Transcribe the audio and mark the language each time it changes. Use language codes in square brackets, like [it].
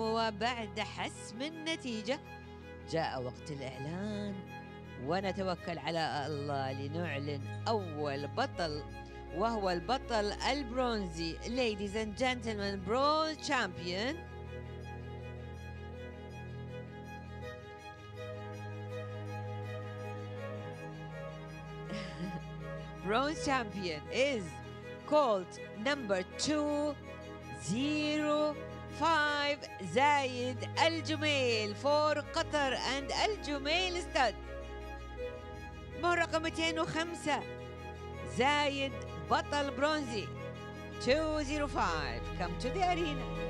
[ar] وبعد حسم النتيجة جاء وقت الإعلان، ونتوكل على الله لنعلن أول بطل، وهو البطل البرونزي. [en] Ladies and gentlemen, bronze champion. Bronze champion is called number 205 زايد الجميل for قطر and الجميل stud. [ar] مهر رقم 205 زايد بطل برونزي 205 [en] come to the arena.